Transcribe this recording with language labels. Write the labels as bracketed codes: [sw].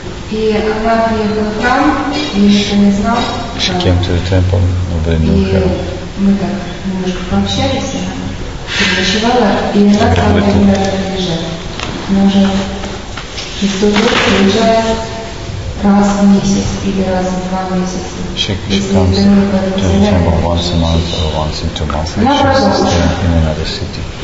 [ru] И она приехала в храм, и никто не знал. [en] She came to the temple, nobody knew her. [ru] И мы так немножко пообщались, она переночевала, и она там один раз приезжала. Она уже из того приезжает раз в месяц или раз в два месяца. [en] She comes to the temple once a month or once in 2 months, and she's staying in another city.